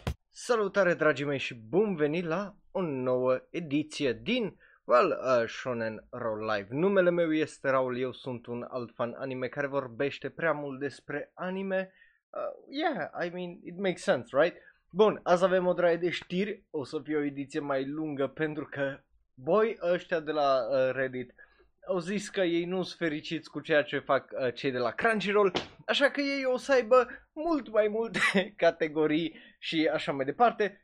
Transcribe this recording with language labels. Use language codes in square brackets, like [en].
[ro] Salutare, dragii mei, și bun venit la o nouă ediție din, well, Shonen Roll Live. Numele meu este Raul, eu sunt un alt fan anime care vorbește prea mult despre anime. [en] Yeah, I mean, it makes sense, right? [ro] Bun, azi avem o draie de știri, o să fie o ediție mai lungă pentru că, boy, ăștia de la Reddit au zis că ei nu sunt fericiți cu ceea ce fac cei de la Crunchyroll, așa că ei o să aibă mult mai multe categorii și așa mai departe.